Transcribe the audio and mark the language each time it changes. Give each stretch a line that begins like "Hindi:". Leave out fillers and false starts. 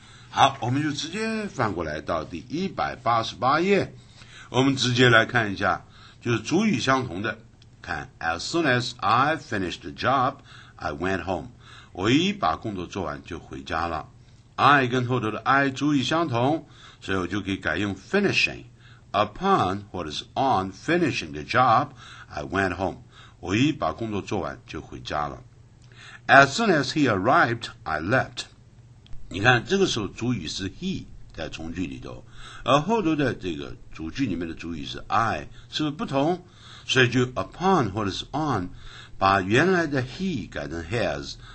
Chinese: 好，我们就直接翻过来到第188页，我们直接来看一下。就是主语相同的，看
English: ，as soon as I finished the job, I went home。
Chinese: 我一把工作做完就回家了。 I 跟后头的 I 主语相同，所以我就可以改用 finishing。
English: Upon 或者是 on finishing the job, I went home。
Chinese: 我一把工作做完就回家了。
English: As soon as he arrived, I left。
Chinese: 你看，这个时候主语是 he。在从句里头，而后头的这个主句里面的主语是 I， 是不是不同？所以就 upon 或者是 on， 把原来的 he 改成 his。